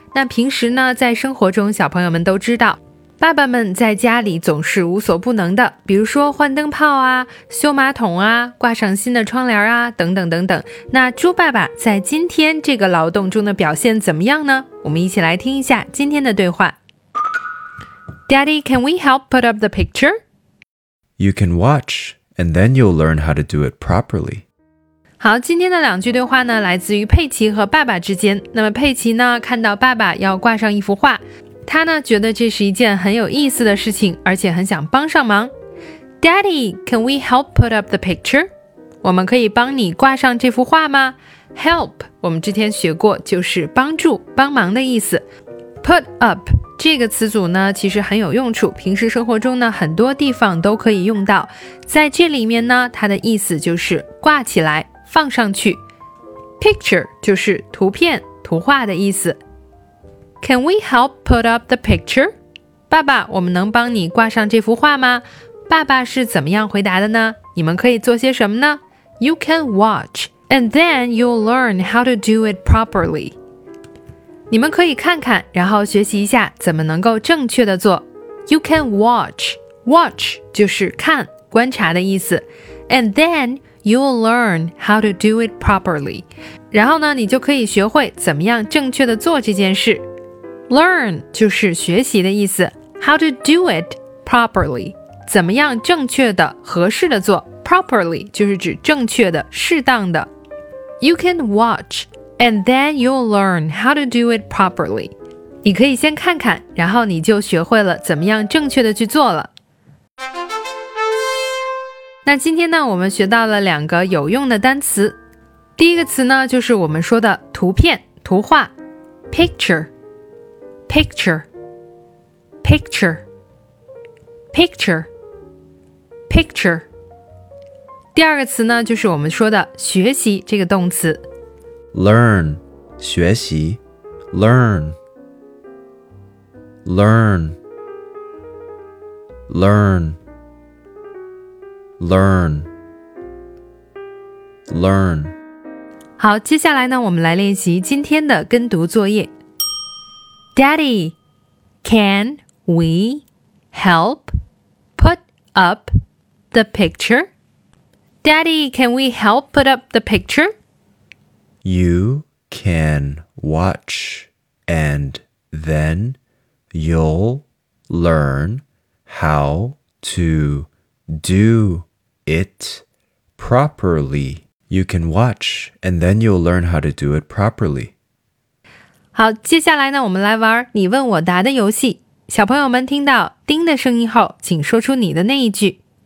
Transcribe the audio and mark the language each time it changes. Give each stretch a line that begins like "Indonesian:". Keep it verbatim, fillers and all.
Chinese: 那平时呢，在生活中小朋友们都知道，爸爸们在家里总是无所不能的，比如说换灯泡啊，修马桶啊，挂上新的窗帘啊，等等等等。那猪爸爸在今天这个劳动中的表现怎么样呢？我们一起来听一下今天的对话。
English: Daddy, can we help put up the picture? You can watch, and then you'll learn how to do it properly.
Chinese: 好，今天的两句对话呢，来自于佩奇和爸爸之间。那么佩奇呢，看到爸爸要挂上一幅画，他呢觉得这是一件很有意思的事情，而且很想帮上忙。 Daddy, can we help put up the picture? 我们可以帮你挂上这幅画吗？Help 我们之前学过，就是帮助、帮忙的意思。 Put up这个词组呢，其实很有用处，平时生活中呢，很多地方都可以用到。在这里面呢，它的意思就是挂起来，放上去。 Picture 就是图片、图画的意思。
English: Can we help put up the picture?
Chinese: 爸爸，我们能帮你挂上这幅画吗？爸爸是怎么样回答的呢？你们可以做些什么呢？
English: You can watch, and then you'll learn how to do it properly.
Chinese: 你们可以看看，然后学习一下怎么能够正确的做。
English: You can watch.
Chinese: Watch 就是看、观察的意思。
English: And then you'll learn how to do it properly.
Chinese: 然后呢，你就可以学会怎么样正确的做这件事。 Learn 就是学习的意思。
English: How to do it properly.
Chinese: 怎么样正确的、合适的做。Properly 就是指正确的、适当的。
English: You can watch. And then you'll learn how to do it properly.
Chinese: 你可以先看看，然后你就学会了怎么样正确的去做了。那今天呢，我们学到了两个有用的单词。第一个词呢，就是我们说的图片、图画 Picture Picture Picture Picture Picture 第二个词呢，就是我们说的学习这个动词
English: Learn
Chinese: 学习
English: Learn Learn Learn Learn Learn
Chinese: 好，接下来呢，我们来练习今天的跟读作业。
English: Daddy, can we help put up the picture? Daddy, can we help put up the picture? You can watch, and then you'll learn how to do it properly. You can watch, and then you'll learn how to do it properly.
Chinese: 好，接下来呢，我们来玩你问我答的游戏。小朋友们听到叮的声音后，请说出你的那一句。